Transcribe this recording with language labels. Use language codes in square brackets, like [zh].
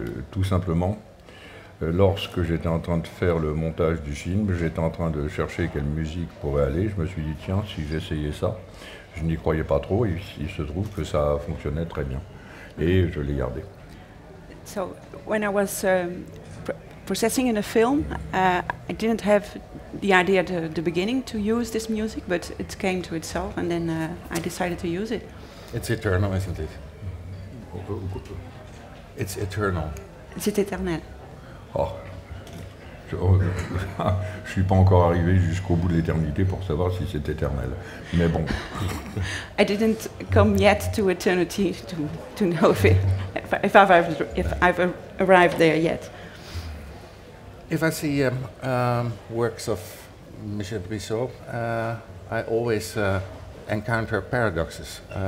[fr] Tout simplement, lorsque j'étais en train de faire le montage du film, j'étais en train de chercher quelle musique pourrait aller. Je me suis dit, tiens, si j'essayais ça, je n'y croyais pas trop. Il se trouve que ça fonctionnait très bien. Et je l'ai gardé. [en] So, when I was processing in a film, I didn't have the idea at the beginning to use this music, but it came to itself and then I decided to use it. It's eternal, isn't it? It's eternal. [fr] C'est éternel. Oh. Je suis pas encore arrivé jusqu'au bout de l'éternité pour savoir si c'est éternel. Mais bon. [en] I didn't come yet to eternity to know if I've arrived there yet. If I see works of Monsieur Brisseau, I always encounter paradoxes.